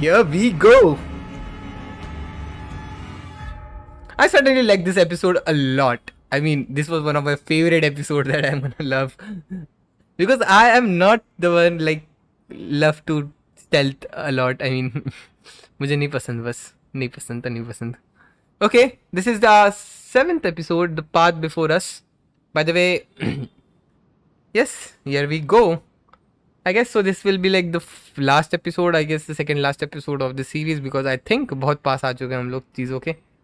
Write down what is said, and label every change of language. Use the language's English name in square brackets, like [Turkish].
[English] We go. I certainly like this episode a lot. I mean, this was one of my favorite episodes that I'm gonna love. Because I am not the one like love to stealth a lot. [Hindi] I mean, मुझे नहीं पसंद बस। नहीं पसंद। [English] Okay, this is the 7th episode, The Path Before Us. By the way, yes, here we go. I guess so. This will be like the last episode. I guess the second last episode of the series, because I think [Hindi] bahut paas aa chuke hum log cheez. [English] Okay.